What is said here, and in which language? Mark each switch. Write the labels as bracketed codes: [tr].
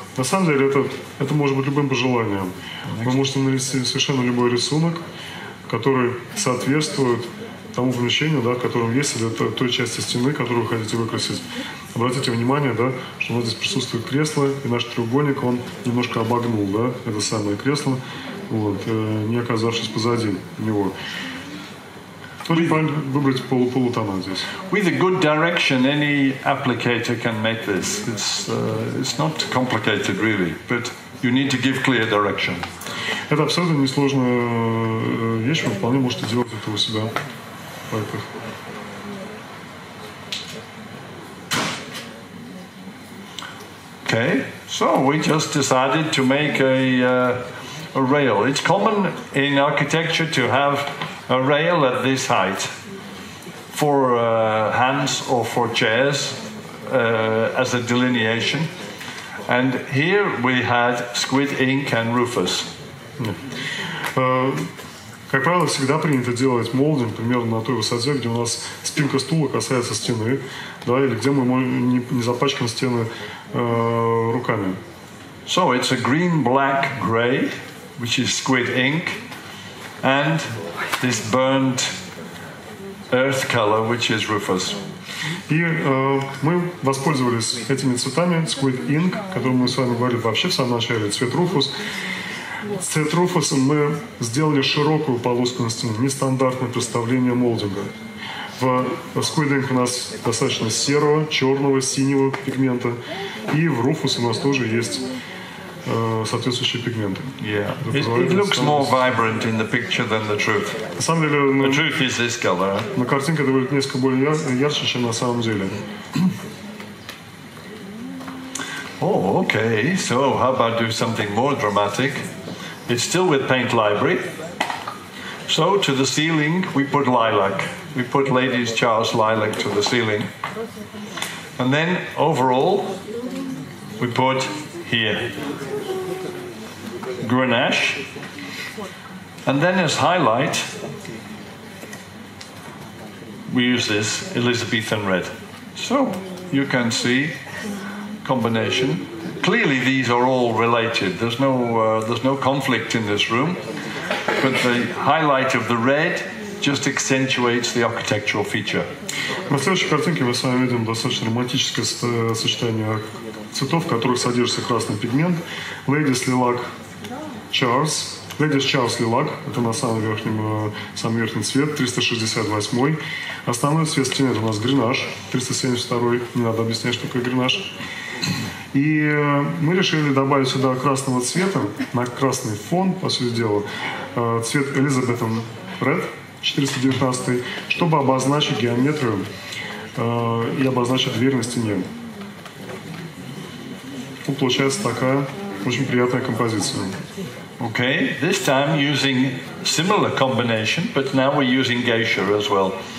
[ru] На самом деле это может быть любым пожеланием. Вы можете нарисовать совершенно любой рисунок, который соответствует тому помещению, да, в котором есть, или той части стены, которую вы хотите выкрасить. Обратите внимание, да, что у нас здесь присутствует кресло, и наш треугольник, он немножко обогнул, да, это самое кресло, вот, не оказавшись позади него. [en] With a good direction, any applicator can make this. It's not complicated, really, but you need to give clear direction. [ru] Это абсолютно несложная вещь, вы вполне можете делать это у себя. [en] Okay, so we just decided to make a rail. It's common in architecture to have a rail at this height for hands or for chairs as a delineation. And here we had squid ink and Rufus. [ru] Как правило, всегда принято делать молдинг примерно на той высоте, где у нас спинка стула касается стены, да, или где мы не запачкаем стены руками. [en] So it's a green, black, gray, which is squid ink, and this burnt earth color, which is Rufus. [ru] И мы воспользовались этими цветами, squid ink, о котором мы с вами говорили вообще в самом начале, цвет Rufus. С цвет Rufus мы сделали широкую полоску на стене, нестандартное представление молдинга. В squid ink у нас достаточно серого, черного, синего пигмента, и в Rufus у нас тоже есть соответствующие пигменты. [en] Yeah. It looks more vibrant in the picture than the truth. [ru] На самом деле, [en] the truth is this color. [ru] На картинке это выглядит несколько более ярче, чем на самом деле. [en] Oh, okay. So how about do something more dramatic? It's still with paint library. So to the ceiling we put lilac. We put Lady's Charles lilac to the ceiling. And then overall we put here Grenache, and then as highlight we use this Elizabethan red. So you can see combination. Clearly these are all related. There's no conflict in this room, but the highlight of the red just accentuates the architectural feature. [ru] На следующей картинке мы с вами видим достаточно романтическое сочетание цветов, в которых содержится красный пигмент. [en] Ladies Lilac Charles. Ladies Charles Lilac. [ru] Это на самом верхнем цвет, 368. Основной цвет стены это у нас Гренаж, 372. Не надо объяснять, что такое Гренаж. И мы решили добавить сюда красного цвета, на красный фон, по сути дела, цвет Elizabethan Red, 419, чтобы обозначить геометрию и обозначить дверь на стене. Тут получается такая очень приятная композиция. [en] Okay, this time using similar combination, but now we're using geisha as well.